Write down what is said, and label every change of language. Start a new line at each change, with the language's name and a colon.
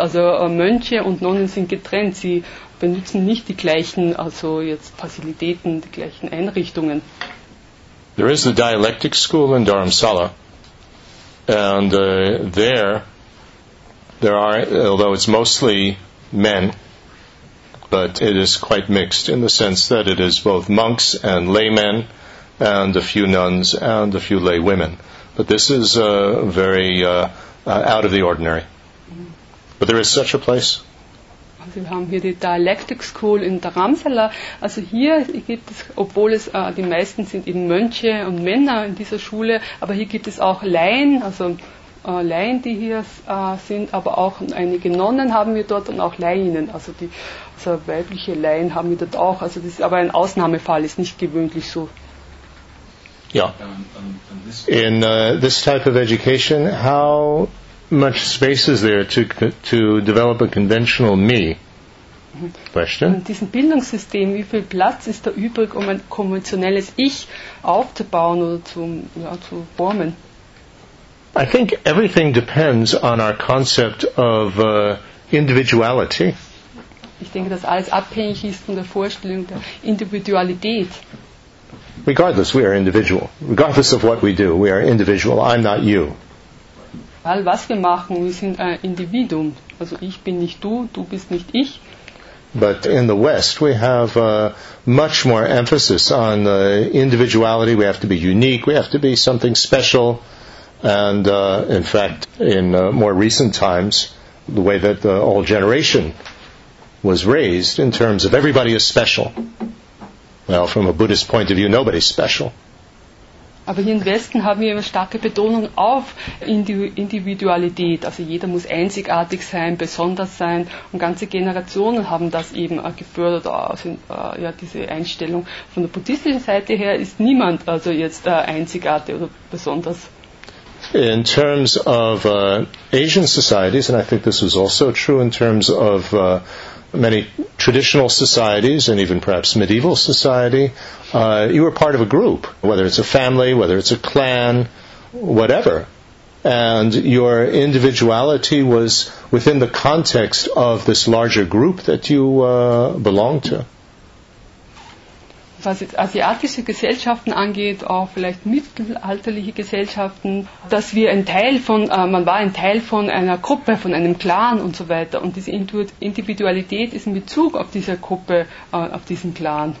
German: Also Mönche und Nonnen sind getrennt. Sie benutzen nicht die gleichen, also jetzt Fazilitäten, die gleichen Einrichtungen.
English: There is the dialectic school in Dharamsala, and there are, although it's mostly men, but it is quite mixed in the sense that it is both monks and laymen, and a few nuns and a few lay women. But this is very out of the ordinary. But there is such a place.
German: Also wir haben hier die Dialectic School in Dharamsala. Also hier gibt es, obwohl es die meisten sind eben Mönche und Männer in dieser Schule, aber hier gibt es auch Laien, also Laien, die hier sind, aber auch einige Nonnen haben wir dort und auch Laien, also die also weibliche Laien haben wir dort auch. Also das ist aber ein Ausnahmefall, ist nicht gewöhnlich so. Ja.
English: In this type of education, how much space is there to develop a conventional me? Question.
German: In diesem Bildungssystem, wie viel Platz ist da übrig, um ein konventionelles Ich aufzubauen oder zu formen?
English: I think everything depends on our concept of individuality.
German: Ich denke, dass alles abhängig ist von der Vorstellung der Individualität.
English: Regardless, we are individual. Regardless of what we do, we are individual. I'm not you.
German: All was wir machen, wir sind ein Individuum. Also ich bin nicht du, du bist nicht ich.
English: But in the West, we have much more emphasis on individuality. We have to be unique. We have to be something special. And in fact, in more recent times, the way that the old generation was raised in terms of everybody is special. Well, from a Buddhist point of view, nobody's special.
German: Aber hier im Westen haben wir eine starke Betonung auf Individualität. Also jeder muss einzigartig sein, besonders sein. Und ganze Generationen haben das eben gefördert. Also, ja, diese Einstellung von der buddhistischen Seite her ist niemand also jetzt einzigartig oder besonders.
English: In terms of Asian societies, and I think this is also true in terms of many traditional societies and even perhaps medieval society, you were part of a group, whether it's a family, whether it's a clan, whatever. And your individuality was within the context of this larger group that you belonged to.
German: Was jetzt asiatische Gesellschaften angeht, auch vielleicht mittelalterliche Gesellschaften, dass wir ein Teil von, man war ein Teil von einer Gruppe, von einem Clan und so weiter. Und diese Individualität ist in Bezug auf diese Gruppe, auf diesen Clan.